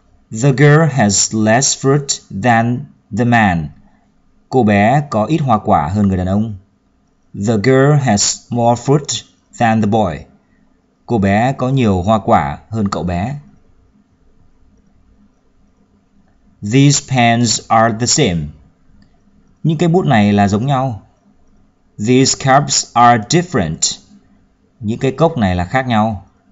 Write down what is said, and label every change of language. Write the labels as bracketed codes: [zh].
[en] The girl has less fruit than the man. [vi] Cô bé có ít hoa quả hơn người đàn ông. [en] The girl has more fruit than the boy. [vi] Cô bé có nhiều hoa quả hơn cậu bé. [en] These pens are the same. [vi] Những cái bút này là giống nhau. [en] These cups are different. [vi] Những cái cốc này là khác nhau.